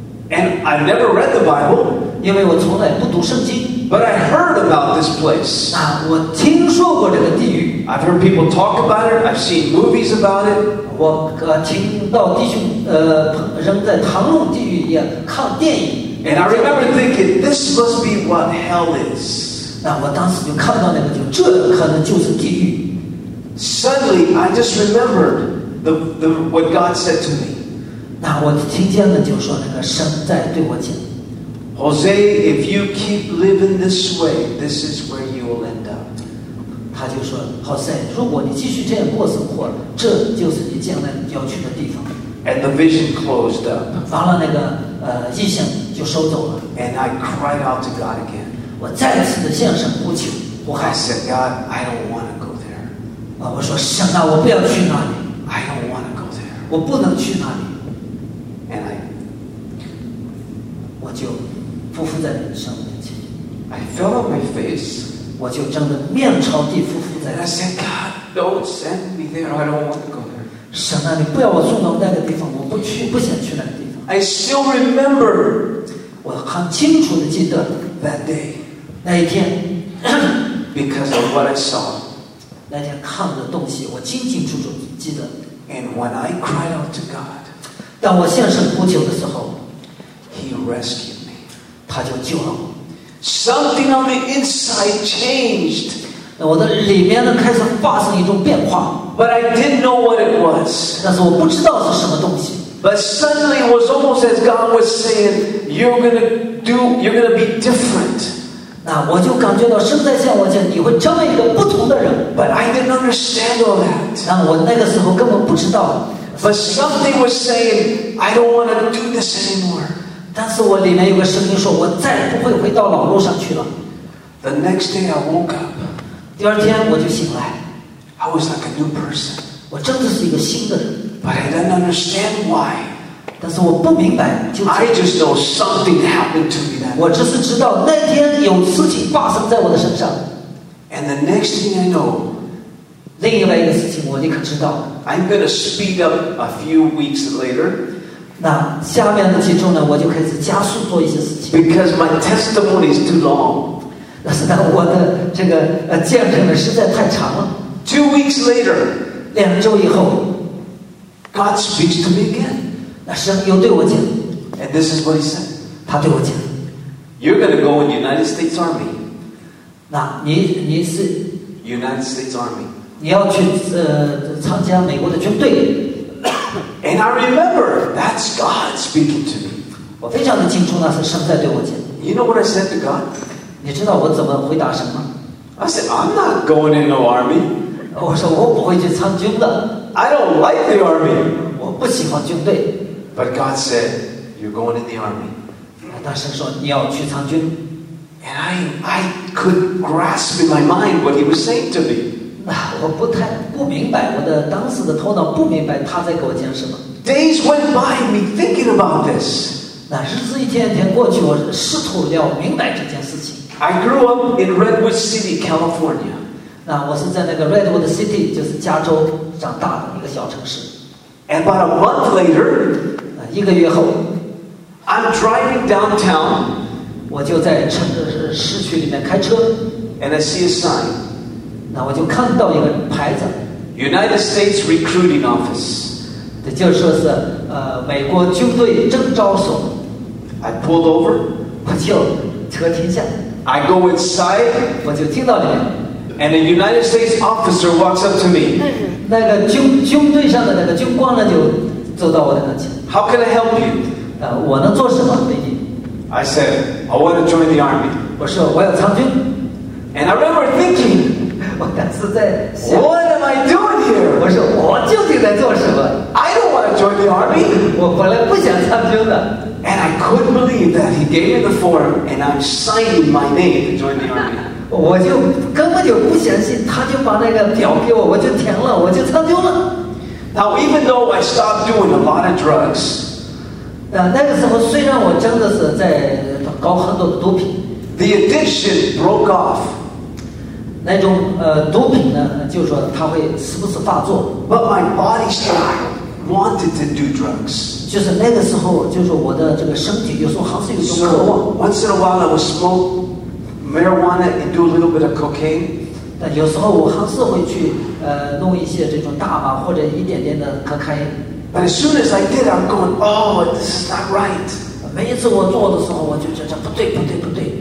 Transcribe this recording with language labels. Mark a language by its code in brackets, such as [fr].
[en] ？And I've never read the Bible, [zh] 因为我从来不读圣经。 [en] But I heard about this place. [zh] 我听说过这个地狱。 [en] I've heard people talk about it. I've seen movies about it. [zh] 我听到弟兄人在谈论地狱也看电影。 [en] And I remember thinking, this must be what hell is. [zh] 那我当时就看到那个就这可能就是地狱。 [en] Suddenly, I just remembered the what God said to me. [zh] 那我听见了就说那个神在对我讲。 [en] Jose, if you keep living this way, this is where you will end up. [zh] 他就说 ，Jose， 如果你继续这样过生活，这就是你将来要去的地方。 [en] And the vision closed up. [zh] 完了那个异象。就收走了。 [en] And I cried out to God again. [zh] 我再次的向神呼求，呼喊。 [en] I said, God, I don't want to go there. [zh] 我说神啊，我不要去那里。 [en] I don't want to go there. [zh] 我不能去那里。 [en] And I, [zh] 我就匍匐在神面前。 [en] I fell on my face. [zh] 我就真的面朝地匍匐在。 [en] And I said, God, don't send me there. I don't want to go there. [zh] 神啊，你不要我送到那个地方，我不去，不想去那个地方。 [en] I still remember. [zh] 我很清楚地记得 [en] that day, [zh] 那一天 [en] because of what I saw, [zh] 那天看的东西我清清楚楚记得。 [en] And when I cried out to God, [zh] 当我向神呼求的时候 [en] He rescued me, [zh] 他就救了我。 [en] Something on the inside changed, [zh] 那我的里面呢开始发生一种变化。 [en] But I didn't know what it was, [zh] 但是我不知道是什么东西。 [en] But suddenly it was almost as God was saying, you're going to be different. [zh] 那我就感觉到神在向我讲，你会成为一个不同的人。 [en] But I didn't understand all that. [zh] 那我那个时候根本不知道。 [en] But something was saying, I don't want to do this anymore. [zh] 但是我里面有个声音说，我再也不会回到老路上去了。 [en] The next day I woke up. [zh] 第二天我就醒来。 [en] I was like a new person. [zh] 我真的是一个新的人。 [en] But I didn't understand why. [zh] 但是我不明白。 [en] I just know something happened to me that. [zh] 我只是知道那天有事情发生在我的身上。 [en] And the next thing I know, [zh] 另外一个事情我立刻知道。 [en] I'm going to speed up a few weeks later. [zh] 那下面的几周呢，我就开始加速做一些事情。 [en] Because my testimony is too long. [zh] 但是我的这个见证呢实在太长了。 [en] 2 weeks later. [zh] 2周以后。 [en] God speaks to me again. [zh] 那神又对我讲。 [en] And this is what he said. [zh] 他对我讲。 [en] You're going to go in the United States Army. [zh] 那你是 [en] United States Army. [zh] 你要去参加美国的军队。 [en] And I remember that's God speaking to me. [zh] 我非常的清楚，那是神在对我讲。 [en] You know what I said to God? [zh] 你知道我怎么回答神吗？ [en] I said, I'm not going in no army. [zh] 我说我不会去参军的。 [en] I don't like the army. [zh] 我不喜欢军队。 [en] But God said, you're going in the army. [zh] 大神说你要去参军。 [en] And I could grasp in my mind what he was saying to me. [zh] 我不明白，我的当时的头脑不明白他在给我讲什么。 [en] Days went by me thinking about this. [zh] 那日子一天天过去，我试图要明白这件事情。 [en] I grew up in Redwood City, California. [zh] 那我是在那个 Redwood City, 就是加州长大的一个小城市。 [en] And about a month later, [zh] 一个月后 [en] I'm driving downtown. [zh] 我就在市区里面开车。 [en] And I see a sign. [zh] 那我就看到一个牌子。 [en] United States Recruiting Office. [zh] 这就说是美国军队征召所。 [en] I pulled over. [zh] 我就车停下。 [en] I go inside, [zh] 我就听到里面, [en] and a United States officer walks up to me. [zh] 那个军队上的那个军官呢，就走到我的跟前。 [en] How can I help you? [zh] 我能做什么给你？ [en] I said, I want to join the army. [zh] 我说我要参军。 [en] And I remember thinking, [zh] 我当时在想, [en] What am I doing here? [zh] 我说我究竟在做什么？ [en] I don't want to join the army. [zh] 我本来不想参军的。 [en] And I couldn't believe that he gave me the form, and I'm signing my name to join the army. [zh] 我就根本就不相信，他就把那个表给我，我就填了，我就参军了。 [en] Now, even though I stopped doing a lot of drugs, [zh] 那个时候虽然我真的是在搞很多的毒品 [en] ，the addiction broke off. [zh] 那种毒品呢，就是说它会时不时发作。 [en] But my body still wanted to do drugs. [zh] 就是那个时候，就是我的这个身体有时候还是有种渴望。 [en] So, once in a while, I would smoke marijuana and do a little bit of cocaine. [zh] 但有时候我还是会去弄一些这种大麻或者一点点的可卡因。 [en] But as soon as I did, I'm going, oh, this is not right. [zh] 每一次我做的时候，我就觉得不对，不对，不对。